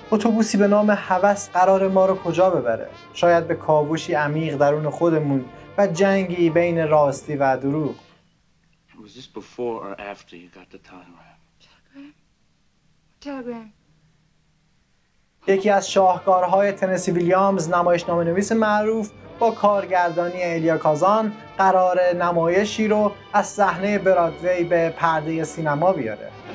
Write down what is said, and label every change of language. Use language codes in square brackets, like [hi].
[fa] اتوبوسی به نام هوس قرار ما رو کجا ببره؟ شاید به کاوشی عمیق درون خودمون و جنگی بین راستی و دروغ. [en] Was this before or after you got the telegram? [fa] یکی از شاهکارهای تنسی ویلیامز، نمایشنامه نویس معروف، با کارگردانی ایلیا کازان قرار نمایشی رو از صحنه برادوی به پرده سینما بیاره.